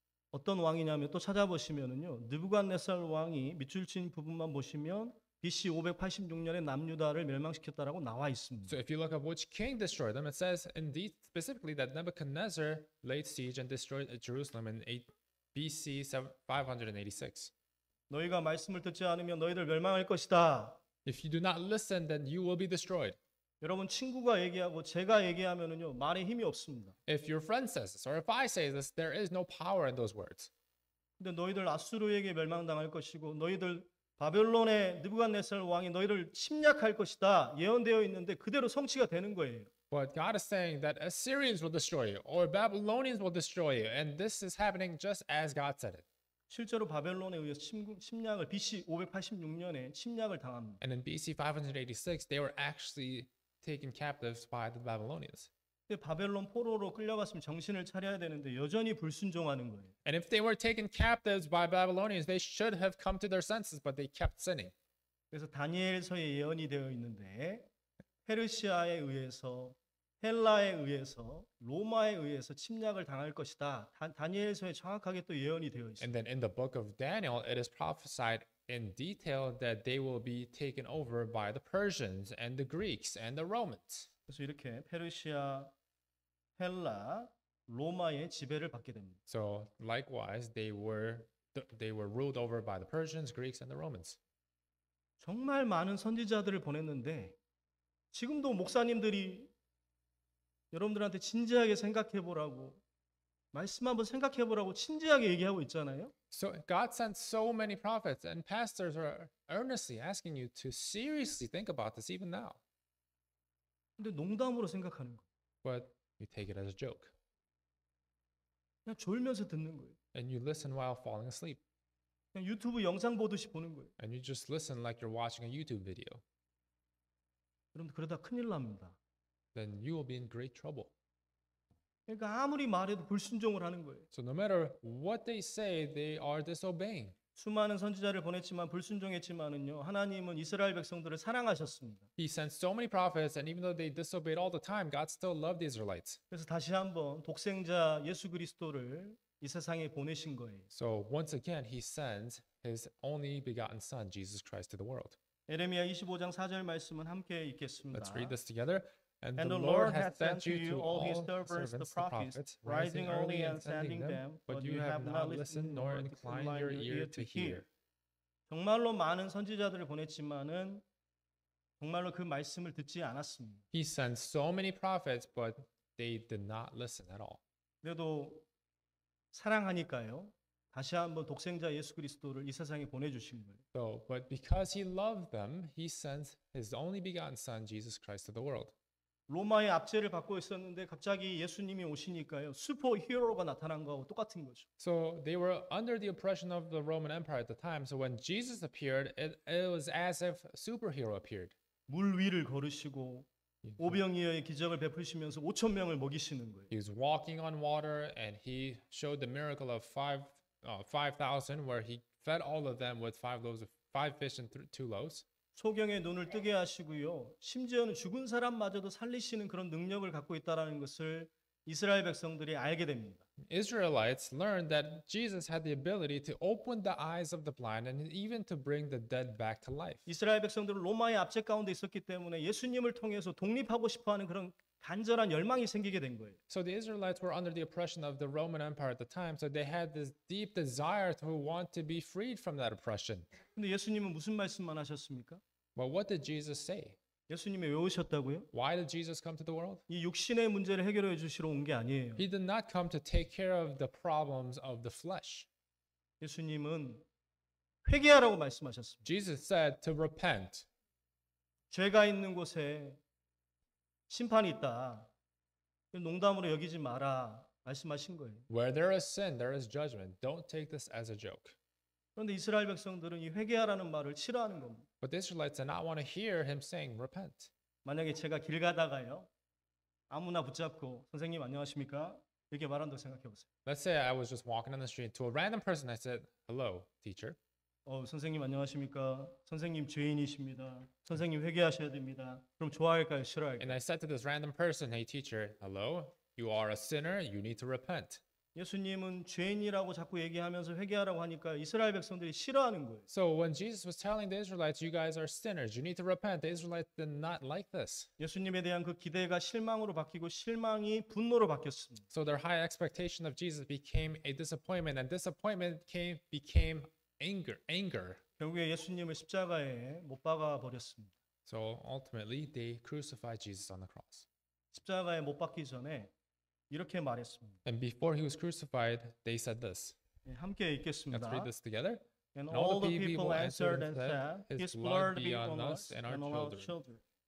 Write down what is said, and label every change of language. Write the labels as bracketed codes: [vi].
[ko] 어떤 왕이냐면 또 찾아보시면은요, 느부갓네살 왕이 밑줄 친 부분만 보시면 BC 586년에 남유다를 멸망시켰다라고 나와 있습니다. [en] So if you look at which king destroyed them, it says indeed specifically that Nebuchadnezzar laid siege and destroyed Jerusalem in 586. [ko] 너희가 말씀을 듣지 않으면 너희들 멸망할 것이다. [en] If you do not listen, then you will be destroyed. [ko] 여러분 친구가 얘기하고 제가 얘기하면은요 말에 힘이 없습니다. [en] If your friend says this, or if I say this, there is no power in those words. [ko] 근데 너희들 아수르에게 멸망당할 것이고 너희들 바벨론의 느부갓네살 왕이 너희를 침략할 것이다 예언되어 있는데 그대로 성취가 되는 거예요. [en] But God is saying that Assyrians will destroy you, or Babylonians will destroy you, and this is happening just as God said it. [ko] 실제로 바벨론에 의해서 침략을 BC 586년에 침략을 당합니다. [en] And in BC 586, they were actually taken captives by the Babylonians. [ko] 근데 바벨론 포로로 끌려갔으면 정신을 차려야 되는데 여전히 불순종하는 거예요. [en] And if they were taken captives by Babylonians, they should have come to their senses, but they kept sinning. [ko] 그래서 다니엘서에 예언이 되어 있는데 페르시아에 의해서 헬라에 의해서 로마에 의해서 침략을 당할 것이다. 다니엘서에 정확하게 또 예언이 되어 있어요. [en] And then in the book of Daniel, it is prophesied in detail that they will be taken over by the Persians and the Greeks and the Romans. [ko] 그래서 이렇게 페르시아, 헬라, 로마의 지배를 받게 됩니다. [en] So likewise, they were ruled over by the Persians, Greeks, and the Romans. [ko] 정말 많은 선지자들을 보냈는데 지금도 목사님들이 여러분들한테 진지하게 생각해 보라고 말씀 한번 생각해 보라고 진지하게 얘기하고 있잖아요. [en] So God sent so many prophets and pastors are earnestly asking you to seriously think about this even now. [ko] 근데 농담으로 생각하는 거. [en] But you take it as a joke. [ko] 그냥 졸면서 듣는 거예요. [en] And you listen while falling asleep. [ko] 그냥 유튜브 영상 보듯이 보는 거예요. [en] And you just listen like you're watching a YouTube video. [ko] 그럼 그러다 큰일 납니다. [en] Then you will be in great trouble. [ko] 그러니까 아무리 말해도 불순종을 하는 거예요. [en] So no matter what they say, they are disobeying. [ko] 수많은 선지자를 보냈지만 불순종했지만은요, 하나님은 이스라엘 백성들을 사랑하셨습니다. [en] He sent so many prophets, and even though they disobeyed all the time, God still loved the Israelites. [ko] 그래서 다시 한번 독생자 예수 그리스도를 이 세상에 보내신 거예요. [en] So once again, He sends His only begotten Son, Jesus Christ, to the world. [ko] 예레미야 25장 4절 말씀은 함께 읽겠습니다. [en] Let's read this together. And the Lord has sent you to all his servants, the prophets, rising early and sending them, but you have not listened nor inclined your ear to hear. [ko] 정말로 많은 선지자들을 보냈지만은 정말로 그 말씀을 듣지 않았습니다. [en] He sent so many prophets, but they did not listen at all. [ko] 그래도 사랑하니까요. 다시 한번 독생자 예수 그리스도를 이 세상에 보내주신 거예요. [en] So, but because he loved them, he sent his only begotten son, Jesus Christ, to the world. [ko] 로마의 압제를 받고 있었는데 갑자기 예수님이 오시니까요. 슈퍼 히어로가 나타난 거하고 똑같은 거죠. [en] So they were under the oppression of the Roman Empire at the time. So when Jesus appeared, it was as if a superhero appeared. [ko] 물 위를 걸으시고 오병이어의 기적을 베푸시면서 5천 명을 먹이시는 거예요. [en] He was walking on water and he showed the miracle of 5 5,000 where he fed all of them with five loaves of five fish and two loaves. [ko] 소경의 눈을 뜨게 하시고요. 심지어는 죽은 사람마저도 살리시는 그런 능력을 갖고 있다라는 것을 이스라엘 백성들이 알게 됩니다. [en] Israelites learned that Jesus had the ability to open the eyes of the blind and even to bring the dead back to life. [ko] 이스라엘 백성들은 로마의 압제 가운데 있었기 때문에 예수님을 통해서 독립하고 싶어 하는 그런 간절한 열망이 생기게 된 거예요. [en] So the Israelites were under the oppression of the Roman Empire at the time, so they had this deep desire to want to be freed from that oppression. [ko] 근데 예수님은 무슨 말씀만 하셨습니까? [en] Well, what did Jesus say? [ko] 예수님이 왜 오셨다고요? [en] Why did Jesus come to the world? [ko] 이 육신의 문제를 해결해 주시러 온 게 아니에요. [en] He did not come to take care of the problems of the flesh. [ko] 예수님은 회개하라고 말씀하셨습니다. [en] Jesus said to repent. [ko] 죄가 있는 곳에 심판이 있다. 농담으로 여기지 마라. 말씀하신 거예요. [en] Where there is sin, there is judgment. Don't take this as a joke. [ko] 그런데 이스라엘 백성들은 이 회개하라는 말을 싫어하는 겁니다. [en] But the Israelites did not want to hear him saying, repent. [ko] 만약에 제가 길 가다가요, 아무나 붙잡고 선생님 안녕하십니까? 이렇게 말한다고 생각해 보세요. [en] Let's say I was just walking on the street to a random person. I said, hello, teacher. [ko] 선생님 안녕하십니까? 선생님 죄인이십니다. 선생님 회개하셔야 됩니다. 그럼 좋아할까요? 싫어할까요? [en] And I said to this random person, hey, teacher, hello, you are a sinner. You need to repent. [ko] 예수님은 죄인이라고 자꾸 얘기하면서 회개하라고 하니까 이스라엘 백성들이 싫어하는 거예요. [en] So when Jesus was telling the Israelites, you guys are sinners, you need to repent, the Israelites did not like this. [ko] 예수님에 대한 그 기대가 실망으로 바뀌고 실망이 분노로 바뀌었습니다. [en] So their high expectation of Jesus became a disappointment, and disappointment became anger. [ko] 결국에 예수님을 십자가에 못 박아 버렸습니다. [en] So ultimately, they crucified Jesus on the cross. [ko] 십자가에 못 박기 전에 이렇게 말했습니다. [en] And before he was crucified, they said this. [ko] 함께 읽겠습니다. [en] Let's read this together. And all the people answered and said, His blood be on us and our children.